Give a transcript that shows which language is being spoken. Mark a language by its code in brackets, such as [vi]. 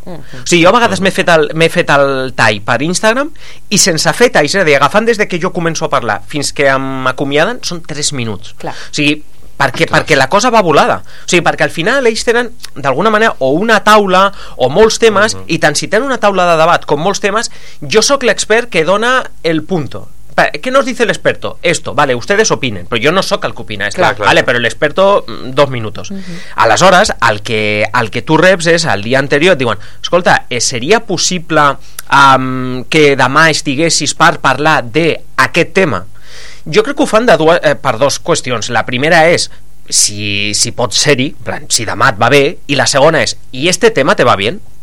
[ca] O sigui, jo a vegades m'he fet el tall per Instagram i sense fer tall, és a dir, agafant des de que jo començo a parlar fins que m'acomiaden, són 3 minuts. O sigui, perquè la cosa va volada. O sigui, perquè al final ells tenen, d'alguna manera, o una taula, o molts temes, i tant si tenen una taula de debat com molts temes, jo sóc l'expert que dona el punto. [es] ¿Qué nos dice el experto? Esto, vale, ustedes opinen, pero yo no soy el que opina, pero el experto, 2 minutos. [ca] Aleshores, el que tu reps és, el dia anterior, et diuen, escolta, seria possible que demà estiguessis per parlar d'aquest tema? Jo crec que ho fan de per dues qüestions. La primera és, si pot ser-hi, si demà et va bé, i la segona és, [es] ¿y este tema te va bien?